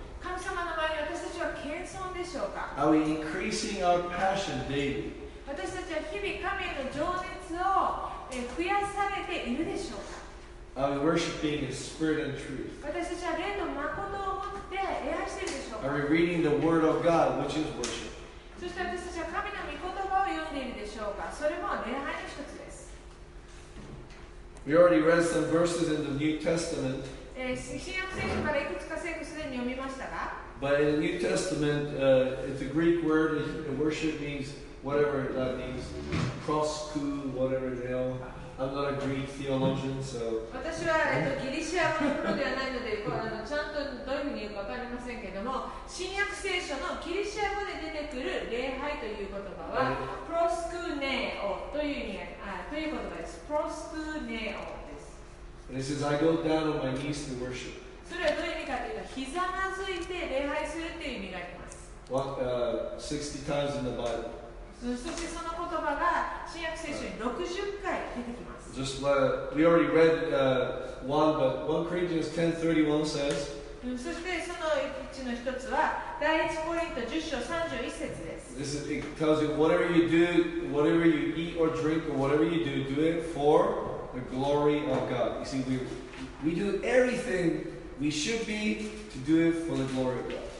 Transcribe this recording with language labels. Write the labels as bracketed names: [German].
[Japanese] 神様の前に私たちは謙遜でしょうか。 [English] Are we increasing our passion daily? [Japanese] 私たちは日々神への情熱を増やされているでしょうか。 [English] Are we worshiping in spirit and truth? [Japanese] 私たちは霊の誠を持って礼拝しているでしょうか。 [English] Are we reading the word of God, which is worship? [Japanese] そして私たちは神の御言葉を読んでいるでしょうか。それも礼拝の一つです。 [English] We already read some verses in the New Testament. [Japanese] 新約聖書からいくつか聖句すでに読みましたが。 [English] But in the New Testament, it's a Greek word, and worship means whatever that means, prosku, whatever the hell. I'm not a Greek theologian, so. [Japanese] 私はギリシア語のプロではないので、ちゃんとどういうふうに言うか分かりませんけれども、新約聖書のギリシア語で出てくる礼拝という言葉は、プロスクネオという意味、という言葉です。プロスクネオです。 [English] And it says, I go down on my knees to worship. [Japanese] それはどういう意味かというと、ひざまずいて礼拝するという意味があります。 [English] What, 60 times in the Bible. [Japanese] そしてその言葉が新約聖書に60回出てきます。 [English] Just we already read one, but 1 Corinthians 10:31 says. [Japanese] そしてそのうちの一つは第一コリント10章31節です。 [English] This is, it tells you whatever you do, whatever you eat or drink or whatever you do, do it for the glory of God. You see, we do everything we should be to do it for the glory of God.